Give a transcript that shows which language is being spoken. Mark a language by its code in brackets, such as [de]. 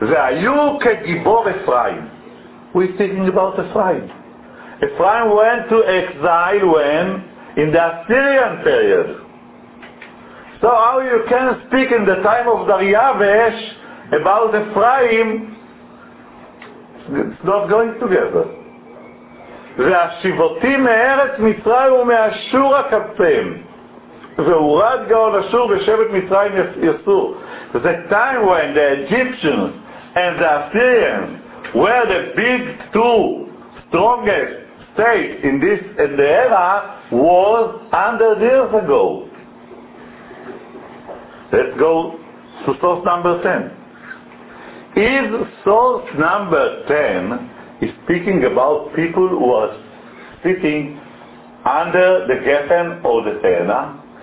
[en] Ve'ayu kegibor Ephraim. We're speaking about Ephraim. Ephraim went to exile when? In the Assyrian period. So how you can speak in the time of Dariavesh about Ephraim? It's not going together. [he] והשיבותי מארץ מצרים ומאשור הקפם והורד גאון אשור ושבט מצרים יסור. [en] The time when the Egyptians and the Assyrians were the big two strongest states in this in the era was 100 years ago. Let's go to source number 10. Is source number 10 is speaking about people who are sitting under the Geffen or the Te'anah?